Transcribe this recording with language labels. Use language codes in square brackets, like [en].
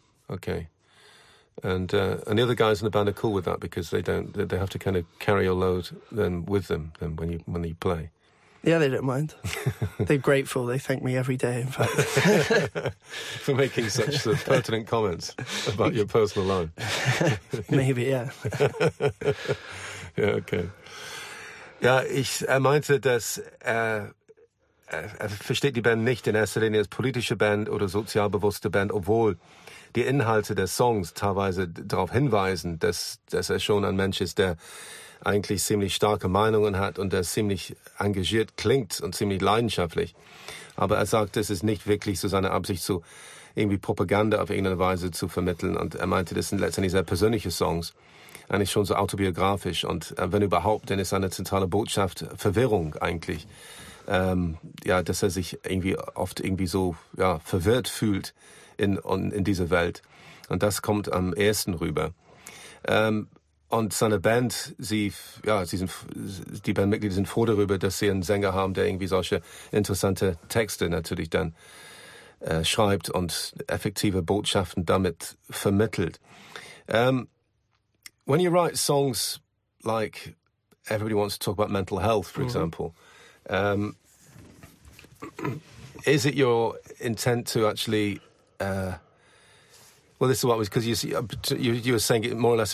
[en] Okay, and the other guys in the band are cool with that because they have to kind of carry your load then with them then when you play. Yeah, they don't mind. They're grateful. They thank me every day, in fact, for making such sort of pertinent comments about your personal life. Maybe, yeah. Yeah, okay. [de] Ja, ich meinte, dass er versteht die Band nicht in erster Linie als politische Band oder sozial bewusste Band, obwohl die Inhalte der Songs teilweise darauf hinweisen, dass er schon ein Mensch ist, der eigentlich ziemlich starke Meinungen hat und der ziemlich engagiert klingt und ziemlich leidenschaftlich. Aber er sagt, es ist nicht wirklich so seine Absicht, so irgendwie Propaganda auf irgendeine Weise zu vermitteln. Und er meinte, das sind letztendlich sehr persönliche Songs, eigentlich schon so autobiografisch. Und wenn überhaupt, dann ist seine zentrale Botschaft Verwirrung eigentlich. Ja, dass er sich irgendwie oft irgendwie so ja, verwirrt fühlt in dieser Welt. Und das kommt am ehesten rüber. Und seine Band, die Bandmitglieder sind froh darüber, dass sie einen Sänger haben, der irgendwie solche interessante Texte natürlich dann schreibt und effektive Botschaften damit vermittelt. [en] When you write songs like Everybody Wants to Talk About Mental Health, for example, is it your intent to actually... well, this is what was because you were saying it more or less.